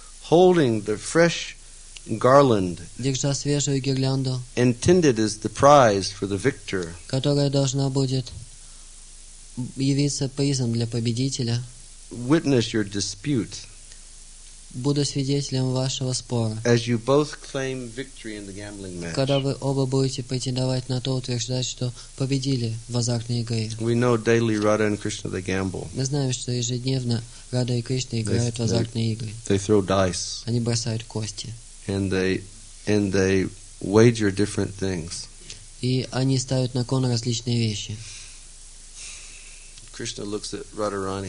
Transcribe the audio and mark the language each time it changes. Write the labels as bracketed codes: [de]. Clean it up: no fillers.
[en] holding the fresh garland, [ru] держа свежую гирлянду, [en] intended as the prize for the victor, [ru] которая должна будет явиться призом для победителя, [en] witness your dispute. [ru] Буду свидетелем вашего спора. [en] As you both claim victory in the gambling match. [ru] Когда вы оба будете претендовать на то, утверждать, что победили в азартной игре. [en] We know daily Radha and Krishna they gamble. [ru] Мы знаем, что ежедневно Радха и Кришна играют в азартные игры. [en] They throw dice. [ru] Они бросают кости. [en] And they wager different things. [ru] И они ставят на кон различные вещи. [en] Krishna looks at Radharani.